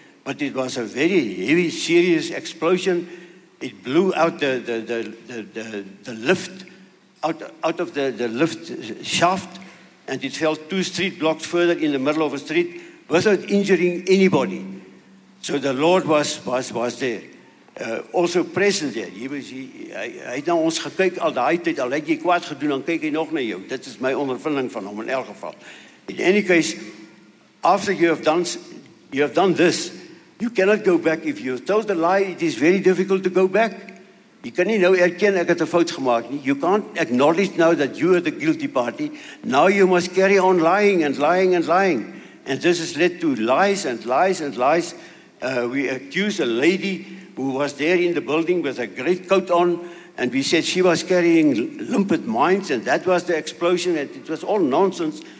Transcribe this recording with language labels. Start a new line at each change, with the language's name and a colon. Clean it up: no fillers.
English: But it was a very heavy, serious explosion. It blew out the lift, out of the lift shaft, and it fell two street blocks further in the middle of a street without injuring anybody. So the Lord was there. Also present there. He was,
Afrikaans: hy het na ons gekyk al die tyd, al het jy kwaad gedoen, dan kyk hy nog na jou. Dit is my ondervinding van hom in elk geval.
English: In any case, after you have done this, you cannot go back. If you told a lie, it is very difficult to go back. You can't now
Afrikaans: erken ek het 'n fout gemaak nie.
English: You can't acknowledge now that you are the guilty party. Now you must carry on lying and lying and lying. And this has led to lies and lies and lies. We accused a lady who was there in the building with a great coat on, and we said she was carrying limpet mines, and that was the explosion, and it was all nonsense.